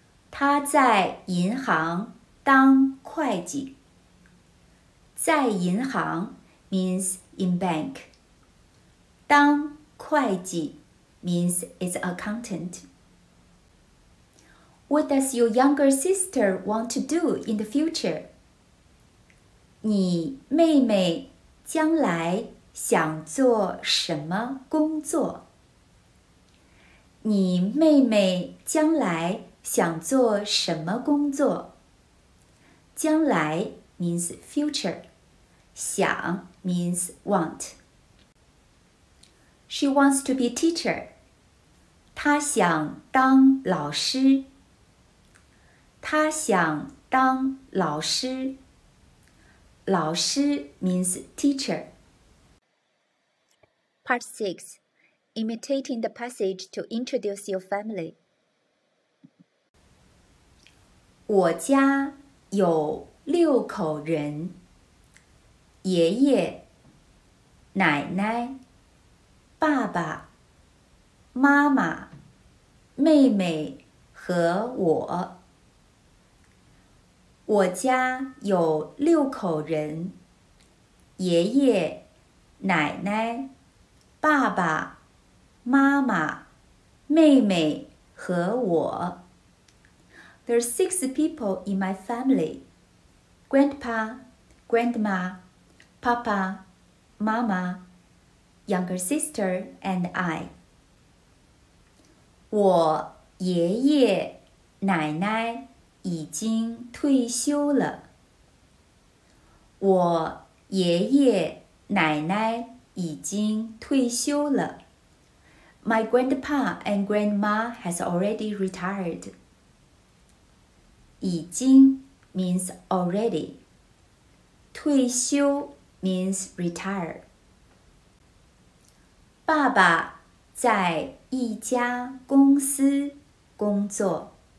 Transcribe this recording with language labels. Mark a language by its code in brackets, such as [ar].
[zh] 他在银行当会计。在银行 [en] means in bank. [zh] 当会计 [en] means is accountant. What does your younger sister want to do in the future? [zh] 你妹妹将来想做什么工作？你妹妹将来想做什么工作？ [en] 将来 means future. 想 means want. She wants to be teacher. [zh] 她想当老师。她想当老师。 [en] 老师 means teacher. Part 6. Imitating the passage to introduce your family. [zh] 我家有六口人，爷爷、奶奶、爸爸、妈妈、妹妹和我。我家有六口人，爷爷、奶奶、爸爸、妈妈、妹妹和我。 [en] There are six people in my family. Grandpa, grandma, papa, mama, younger sister, and I. [zh] 我爷爷奶奶已经退休了。我爷爷奶奶已经退休了。 [en] My grandpa and grandma has already retired. 已经 means already. 退休 means retire. [zh] 爸爸在一家公司工作。